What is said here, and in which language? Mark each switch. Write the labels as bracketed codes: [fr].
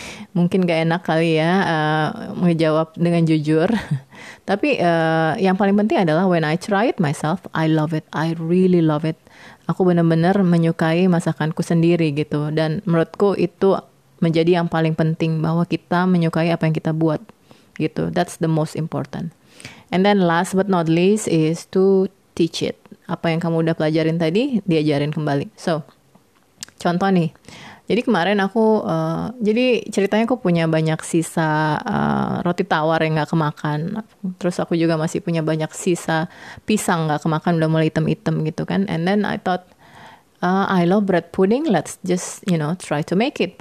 [id] Mungkin gak enak kali ya menjawab dengan jujur. Tapi yang paling penting adalah [en] when I try it myself, I love it, I really love it. [id] Aku benar-benar menyukai masakanku sendiri gitu. Dan menurutku itu menjadi yang paling penting, bahwa kita menyukai apa yang kita buat gitu. [en] That's the most important. And then last but not least is to teach it. [id] Apa yang kamu udah pelajarin tadi, diajarin kembali. So, contoh nih. Jadi kemarin aku, jadi ceritanya aku punya banyak sisa roti tawar yang gak kemakan. Terus aku juga masih punya banyak sisa pisang gak kemakan, udah mulai item-item gitu kan. [en] And then I thought, I love bread pudding, let's just, you know, try to make it.